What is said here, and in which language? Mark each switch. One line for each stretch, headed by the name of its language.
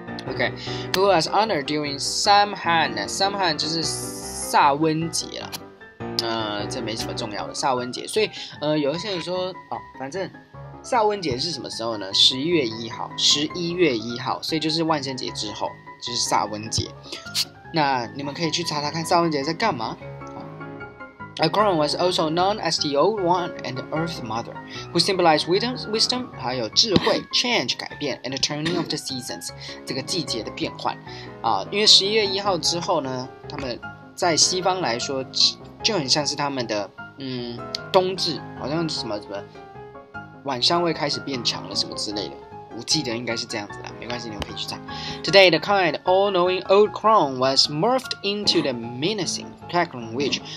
English: OK， who was honored during Samhain？ Samhain
Chinese: 就是萨温节了。这没什么重要的萨温节，所以有一些人说哦，反正萨温节是什么时候呢？ 11月1号，所以就是万圣节之后，就是萨温节。那你们可以去查查看萨温节在干嘛。
English: A crone was also known as the Old One and the Earth Mother, who symbolized wisdom,
Chinese: 还有智慧
English: change
Chinese: 改变
English: and the turning of the seasons
Chinese: 这个季节的变换。因为11月1号之后呢，他们在西方来说。就很像是他们的冬至，好像是什么晚上会开始变长了什么之类的，我记得应该是这样子的，没关系，你们可以去查。
English: Today the kind all-knowing old crone was morphed into the menacing cackling witch.